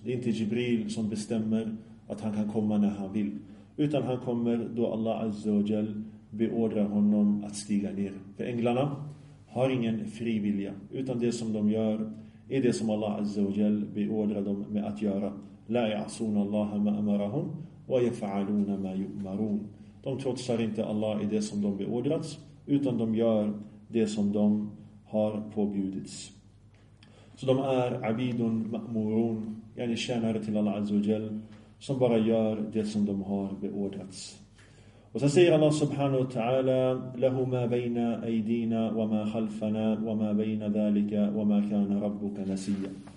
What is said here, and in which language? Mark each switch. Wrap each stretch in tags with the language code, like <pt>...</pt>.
<sv>Det är inte Jibril som bestämmer att han kan komma när han vill, utan han kommer då Allah azza wa jall beordrar honom att stiga ner. För änglarna har ingen fri vilja, utan det som de gör är det som Allah azza wa jall beordrar dem med att göra.</sv> <ar>لا يعصون الله ما أمرهم ويفعلون ما يؤمرون.</ar> <sv>De trotsar inte Allah i det som de beordrats, utan de gör det som de har påbjudits. Så de är abidun ma'murun, yani tjänare till Allah azza wa jall, som bara gör det som de har beordrats. Och så säger Allah subhanahu wa ta'ala, lahu ma bayna aydina wa ma khalfana wa ma bayna dhalika wa ma kana rabbuka nasiya.</sv>